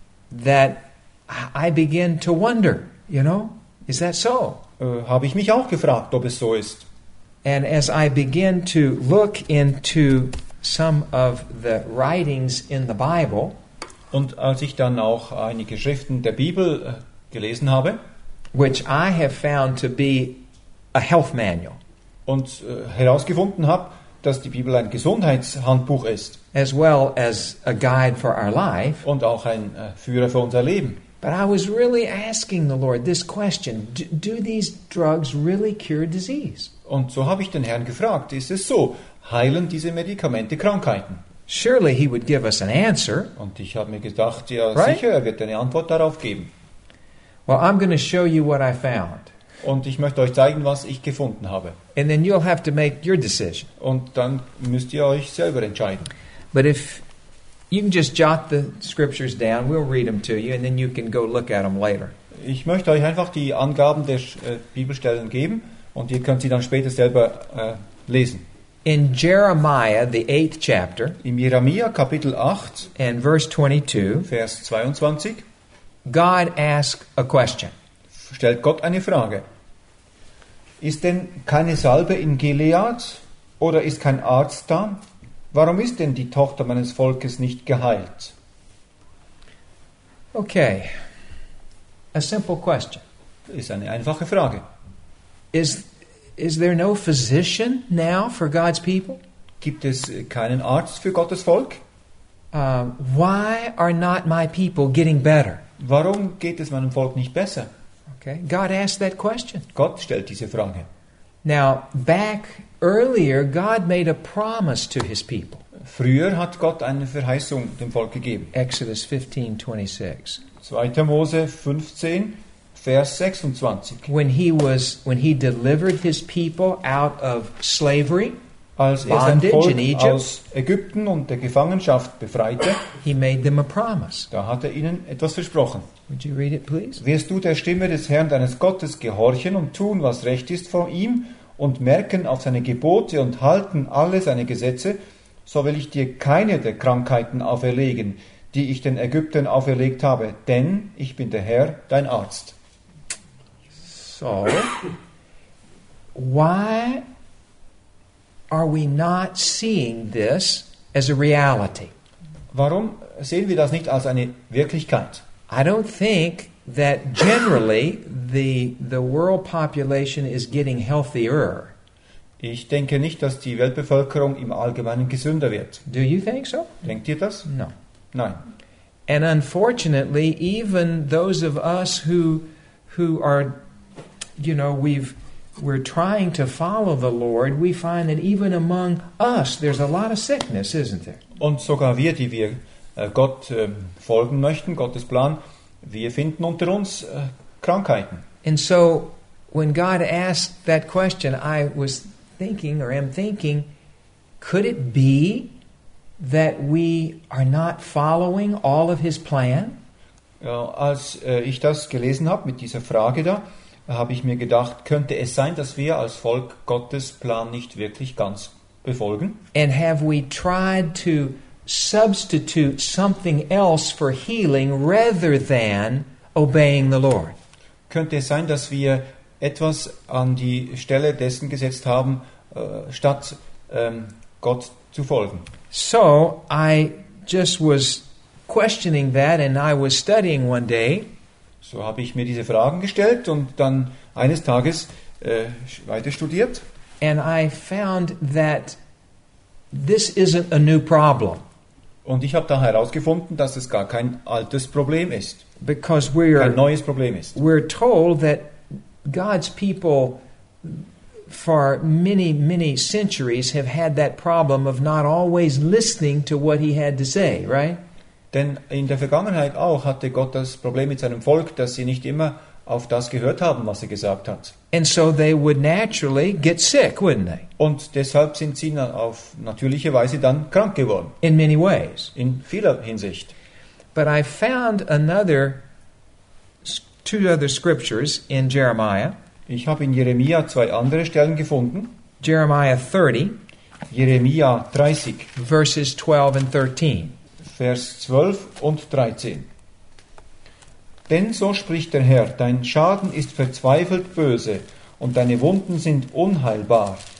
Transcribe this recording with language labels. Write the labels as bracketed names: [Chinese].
[English] that I begin to wonder, you know, is that so? [German] Habe ich mich auch gefragt, ob es so ist. [English] And as I begin to look into some of the writings in the Bible, [German] und als ich dann auch einige Schriften der Bibel gelesen habe, [English] which I have found to be a health manual, [German] und herausgefunden habe, dass die Bibel ein Gesundheitshandbuch ist, [English] as well as a guide for our life, [German] und auch ein Führer für unser Leben. [English] But I was really asking the Lord this question, do these drugs really cure disease? [German] Und so habe ich den Herrn gefragt, ist es so, heilen diese Medikamente Krankheiten? [English] Surely he would give us an answer. [German] Und ich habe mir gedacht, ja, [English] right? [German] sicher, er wird eine Antwort darauf geben. [English] Well, I'm going to show you what I found. [German] Und ich möchte euch zeigen, was ich gefunden habe. [English] And then you'll have to make your decision. [German] Und dann müsst ihr euch selber entscheiden. [English] But if you can just jot the scriptures down, we'll read them to you, and then you can go look at them later. [German] Ich möchte euch einfach die Angaben der Bibelstellen geben, und ihr könnt sie dann später selber lesen. [English] In Jeremiah, the 8th chapter, [German] in Jeremia, Kapitel 8, [English] and verse 22, [German] Vers 22, [English] God asks a question. [German] Stellt Gott eine Frage. Ist denn keine Salbe in Gilead? Oder ist kein Arzt da? Warum ist denn die Tochter meines Volkes nicht geheilt? [English] Okay. A simple question. [German] Ist eine einfache Frage. [English] Is there no physician now for God's people? [German] Gibt es keinen Arzt für Gottes Volk? [English] Why are not my people getting better? [German] Warum geht es meinem Volk nicht besser? [English] Okay. God asked that question. [German] Gott stellt diese Frage. [English] Now, back earlier, God made a promise to his people. [German] Früher hat Gott eine Verheißung dem Volk gegeben. [English] Exodus 15, 26. [German] 2. Mose 15, Vers 26. [English] When he delivered his people out of slavery, [German] als er sein Volk in Egypt, aus Ägypten und der Gefangenschaft befreite, [English] he made them a promise. [German] Da hat er ihnen etwas versprochen. [English] Would you read it, please? [German] Wirst du der Stimme des Herrn deines Gottes gehorchen und tun, was recht ist vor ihm, und merken auf seine Gebote und halten alle seine Gesetze, so will ich dir keine der Krankheiten auferlegen, die ich den Ägyptern auferlegt habe, denn ich bin der Herr, dein Arzt. [English] So, why are we not seeing this as a reality? [German] Warum sehen wir das nicht als eine Wirklichkeit? [English] I don't think that generally the world population is getting healthier. [German] Ich denke nicht, dass die Weltbevölkerung im Allgemeinen gesünder wird. [English] Do you think so? [German] Denkt ihr das? [English] No. [German] Nein. [English] And unfortunately, even those of us who are, you know, we're trying to follow the Lord, we find that even among us there's a lot of sickness, isn't there? [German] Und sogar wir, die wir Gott folgen möchten, Gottes Plan, wir finden unter uns Krankheiten. [English] And so when God asked that question, I was thinking, or am thinking, could it be that we are not following all of his plan? [German] Ja, als ich das gelesen habe mit dieser Frage da, habe ich mir gedacht, könnte es sein, dass wir als Volk Gottes Plan nicht wirklich ganz befolgen? [English] And have we tried to substitute something else for healing rather than obeying the Lord? [German] Könnte es sein, dass wir etwas an die Stelle dessen gesetzt haben, statt Gott zu folgen? [English] So, I just was questioning that and I was studying one day. [German] So habe ich mir diese Fragen gestellt und dann eines Tages weiter studiert. [English] And I found that this isn't a new problem. [German] Und ich habe da herausgefunden, dass es gar kein altes Problem ist. [English] Because we're, [German] kein neues Problem ist. [English] We're told that God's people for many, many centuries have had that problem of not always listening to what he had to say, right? [German] Denn in der Vergangenheit auch hatte Gott das Problem mit seinem Volk, dass sie nicht immer auf das gehört haben, was er gesagt hat. [English] And so they would naturally get sick, wouldn't they? [German] Und deshalb sind sie auf natürliche Weise dann krank geworden. [English] In many ways. [German] In vieler Hinsicht. [English] But I found another, two other scriptures in Jeremiah. [German] Ich habe in Jeremia zwei andere Stellen gefunden. [English] Jeremiah 30. [German] Jeremia 30. [English] Verses 12 and 13. [German] Vers 12 und 13. Denn so spricht der Herr, dein Schaden ist verzweifelt böse und deine Wunden sind unheilbar.